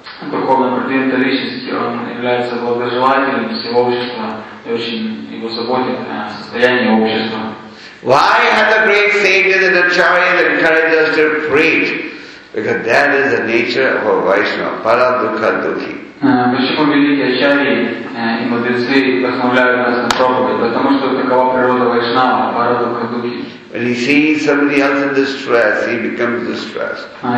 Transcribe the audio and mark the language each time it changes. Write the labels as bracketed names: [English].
[Russian] Духовный продвинутый личности, он является благожелателем всего общества и очень его заботит о состоянии общества. [English] Why have the great sages and acharyas encouraged us to preach? Because that is the nature of a Vaishnava. [Sanskrit] Para dukha dukhi. [Russian] Почему великие ачарьи и мудрецы вдохновляют нас на проповедь? Потому что такова природа Вайшнава, [Sanskrit] пара дукха духи. [English] When he sees somebody else in distress, he becomes distressed.